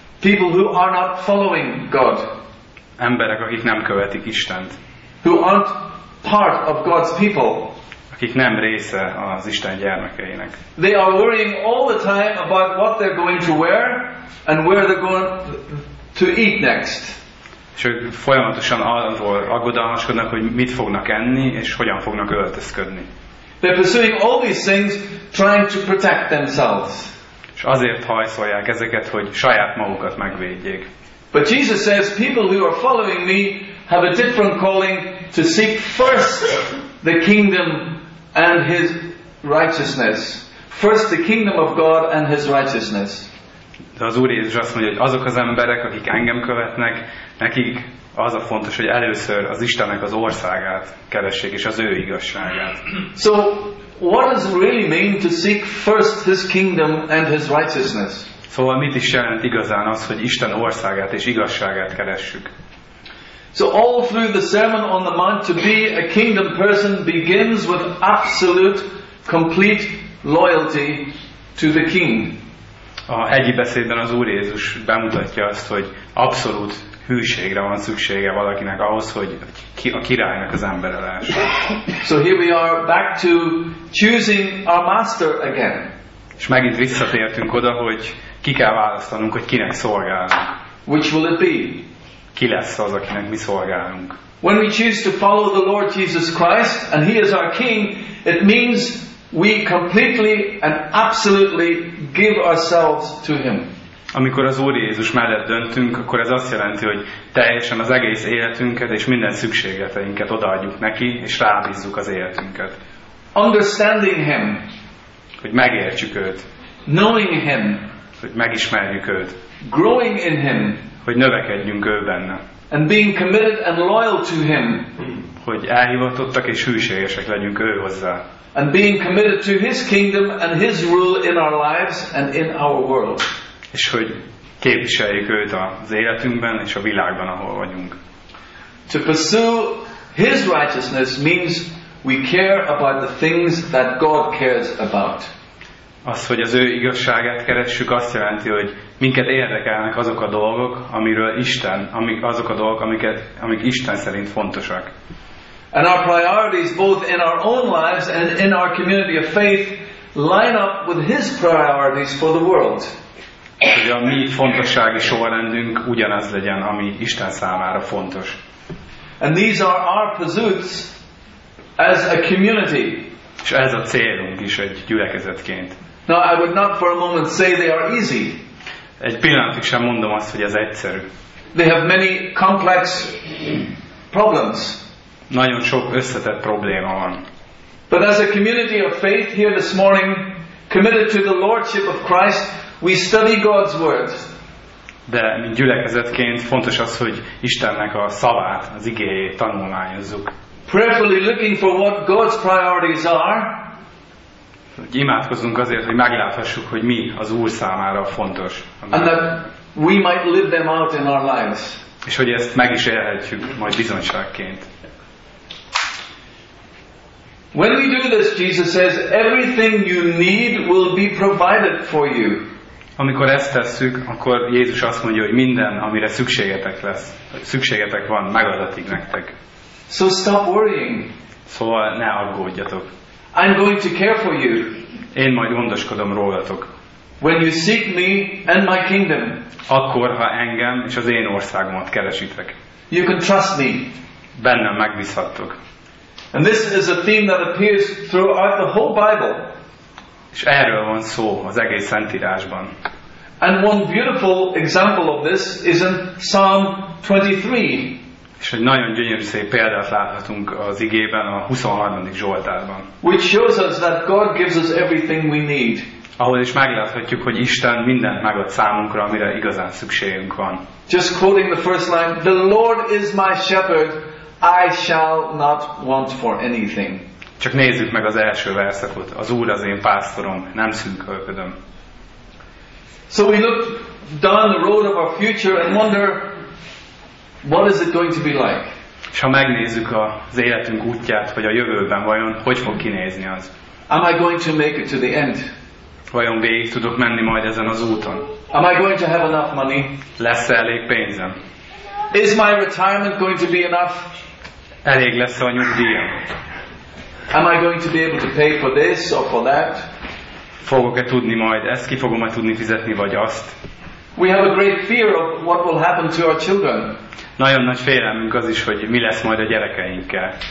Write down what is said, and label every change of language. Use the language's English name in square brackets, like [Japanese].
[English] People who are not following God. [Hungarian] Emberek, akik nem követik Istent. [English] Who aren't part of God's people. [Hungarian] Akik nem része az Isten gyermekeinek. [English] They are worrying all the time about what they're going to wear and where they're going to eat next. [Hungarian] És ők folyamatosan arról aggodalmaskodnak, hogy mit fognak enni és hogyan fognak öltözködni. [English] They're pursuing all these things, trying to protect themselves. [Hungarian] És azért hajszolják ezeket, hogy saját magukat megvédjék. [English] But Jesus says, people who are following me have a different calling to seek first the kingdom and his righteousness. First the kingdom of God and his righteousness. [Hungarian] De az Úr Jézus azt mondja, hogy azok az emberek, akik engem követnek, nekik az a fontos, hogy először az Istennek az országát keressék és az ő igazságát. [English] So what does it really mean to seek first his kingdom and his righteousness? [Hungarian] Szóval mit is jelent igazán az, hogy Isten országát és igazságát keressük? [English] So all through the Sermon on the Mount, to be a kingdom person begins with absolute, complete loyalty to the king. [Hungarian] A hegyi beszédben az Úr Jézus bemutatja azt, hogy abszolút hűségre van szüksége valakinek ahhoz, hogy a királynak az embere lássa. [English] So here we are back to choosing our master again. [Hungarian] És megint visszatértünk oda, hogy ki kell választanunk, hogy kinek szolgálunk. [English] Which will it be? [Hungarian] Ki lesz az, akinek mi szolgálunk? [English] When we choose to follow the Lord Jesus Christ and he is our king, it means we completely and absolutely give ourselves to him. [Hungarian] Amikor az Úr Jézus mellett döntünk, akkor ez azt jelenti, hogy teljesen az egész életünket és minden szükségleteinket odaadjuk neki, és rábízzuk az életünket. [English] Understanding him. [Hungarian] Hogy megértsük őt. [English] Knowing him. [Hungarian] Hogy megismerjük őt. [English] Growing in him. [Hungarian] Hogy növekedjünk ő benne. [English] And being committed and loyal to him. [Hungarian] Hogy elhivatottak és hűségesek legyünk ő hozzá. [English] And being committed to his kingdom and his rule in our lives and in our world. [Hungarian] És hogy képviseljük őt az életünkben és a világban, ahol vagyunk. [English] To pursue his righteousness means we care about the things that God cares about. [Hungarian] Az, hogy az ő igazságát keressük, azt jelenti, hogy minket érdekelnek azok a dolgok, amiről Isten, azok a dolgok, amik Isten szerint fontosak. [English] And our priorities both in our own lives and in our community of faith line up with his priorities for the world. [Hungarian] Hogy a mi fontossági sorrendünk ugyanaz legyen, ami Isten számára fontos. [English] And these are our pursuits as a community. [Hungarian] És ez a célunk is egy gyülekezetként. [English] Now I would not for a moment say they are easy. [Hungarian] Egy pillanatig sem mondom azt, hogy ez egyszerű. [English] They have many complex problems. [Hungarian] Nagyon sok összetett probléma van. [English] But as a community of faith here this morning, committed to the Lordship of Christ, we study God's word. [Hungarian] De mint gyülekezetként fontos az, hogy Istennek a szavát, az igéjét tanulmányozzuk. [English] Prayerfully looking for what God's priorities are. [Hungarian] Hogy imádkozzunk azért, hogy megláthassuk, hogy mi az Úr számára fontos. [English] And that we might live them out in our lives. [Hungarian] És hogy ezt meg is élhetjük majd bizonyságként. [English] When we do this, Jesus says, everything you need will be provided for you. [Hungarian] Amikor ezt tesszük, akkor Jézus azt mondja, hogy minden, amire szükségetek lesz, szükségetek van, megadatik nektek. [English] So stop worrying. [Hungarian] Szóval ne aggódjatok. [English] I'm going to care for you. [Hungarian] Én majd gondoskodom rólatok. [English] When you seek me and my kingdom. [Hungarian] Akkor, ha engem és az én országomat keresitek. [English] You can trust me. [Hungarian] Bennem megbízhattok. [English] And this is a theme that appears throughout the whole Bible. [Hungarian] És erről van szó az egész Szentírásban. [English] And one beautiful example of this is in Psalm 23. [Hungarian] És egy nagyon gyönyörű szép példát láthatunk az igében a 23. Zsoltárban. [English] Which shows us that God gives us everything we need. [Hungarian] Ahol is megláthatjuk, hogy Isten mindent megad számunkra, amire igazán szükségünk van. [English] Just quoting the first line, the Lord is my shepherd, I shall not want for anything. [Hungarian] Csak nézzük meg az első verszakot. Az Úr az én pásztorom, nem szűkölködöm. [English] So we look down the road of our future and wonder what is it going to be like? [Hungarian] És ha megnézzük az életünk útját, hogy a jövőben vajon hogy fog kinézni az? [English] Am I going to make it to the end? [Hungarian] Vajon végig tudok menni majd ezen az úton? [English] Am I going to have enough money? [Hungarian] Lesz-e elég pénzem? [English] Is my retirement going to be enough? [Hungarian] Elég lesz a nyugdíjam? [English] Am I going to be able to pay for this or for that? [Hungarian] Fogok-e tudni majd ezt, ki fogom-e tudni fizetni vagy azt? [English] We have a great fear of what will happen to our children. [Hungarian] Nagyon nagy félelmünk az is, hogy mi lesz majd a gyerekeinkkel.